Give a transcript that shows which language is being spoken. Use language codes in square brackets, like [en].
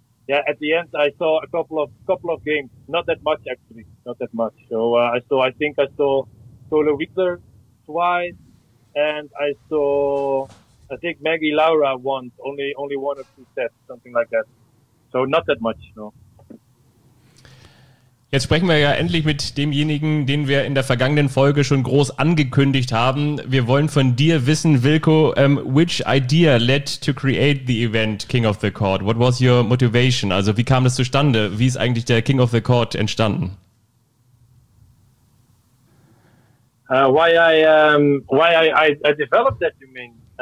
[en] Yeah, at the end, I saw a couple of games. Not that much, actually. Not that much. So I think I saw Tola Wickler twice, and I think Maggie Laura once. Only one or two sets, something like that. So not that much, no. [de] Jetzt sprechen wir ja endlich mit demjenigen, den wir in der vergangenen Folge schon groß angekündigt haben. Wir wollen von dir wissen, [en] Wilco, which idea led to create the event King of the Court? What was your motivation? [de] Also wie kam das zustande? Wie ist eigentlich der King of the Court entstanden? [en] Why I developed that, you mean?